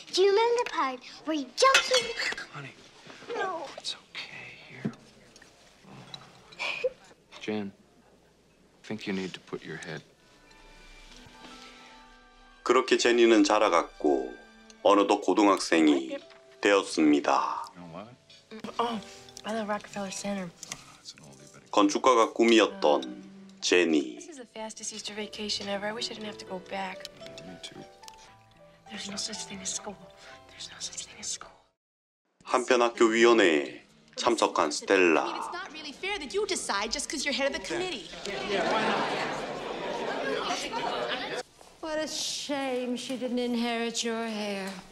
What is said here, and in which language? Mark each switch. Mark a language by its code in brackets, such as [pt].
[en] Do you remember the part where you jumped in? Honey. No. It's okay here. Jen, I think you need to put your head. [ko] 그렇게 제니는 자라갔고 어느덧 고등학생이 되었습니다. [en] Oh, by the Rockefeller Center. [ko] 건축가가 꿈이었던 제니. [en] This is the fastest Easter vacation ever. I wish I didn't have to go back. Me too. There's no such thing as school. There's no such thing as school. [ko] 한편 학교 위원회에 참석한 스텔라. [en] It's not really fair that you decide just because you're head of the committee. Yeah, why not? What a shame she didn't inherit your hair.